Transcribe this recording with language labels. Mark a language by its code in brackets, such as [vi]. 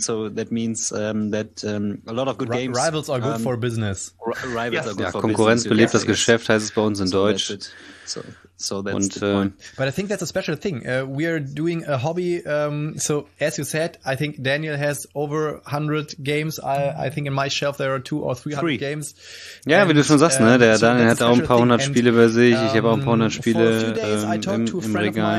[en] So that means that a lot of good games. Rivals are good for business. Rivals are good for [de] Konkurrenz belebt das Geschäft, heißt es bei uns in Deutsch. [en] So that's the point. But I think that's a special thing. We are doing a hobby. So as you said, I think Daniel has over 100 games. I think in my shelf there are 200 or 300 games. [de] Ja, yeah, wie du schon sagst, ne? Daniel hat auch ein paar hundert Spiele bei sich. Ich habe auch ein paar hundert Spiele im Regal.